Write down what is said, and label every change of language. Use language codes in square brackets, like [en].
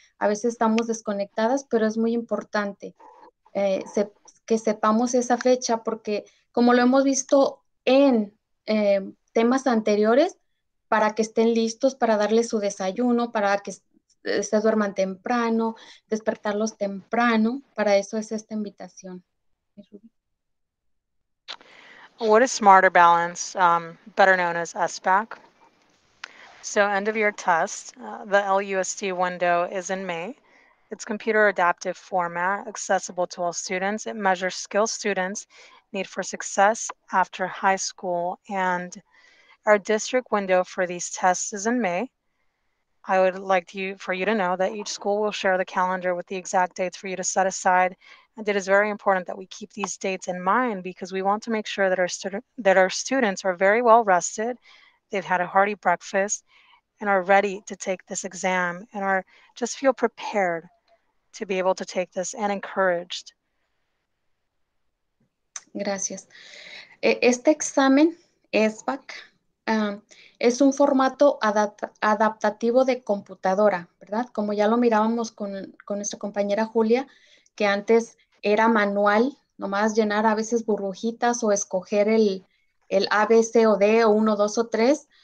[es] A veces estamos desconectadas, pero es muy importante que sepamos esa fecha, porque como lo hemos visto en temas anteriores, para que estén listos para darles su desayuno, para que se duerman temprano, despertarlos temprano, para eso es esta invitación. [en] What is Smarter Balance, better known as SBAC? So end of year test, the LUSD window is in May. It's computer adaptive format, accessible to all students. It measures skill students' need for success after high school. And our district window for these tests is in May. I would like for you to know that each school will share the calendar with the exact dates for you to set aside. And it is very important that we keep these dates in mind because we want to make sure that our students are very well rested, they've had a hearty breakfast, and are ready to take this exam and are just feel prepared to be able to take this and encouraged. [es] Gracias. Este examen, SBAC, es un formato adaptativo de computadora, ¿verdad? Como ya lo mirábamos con nuestra compañera Julia, que antes era manual, nomás llenar a veces burbujitas o escoger el A, B, C o D, o 1, 2 o 3.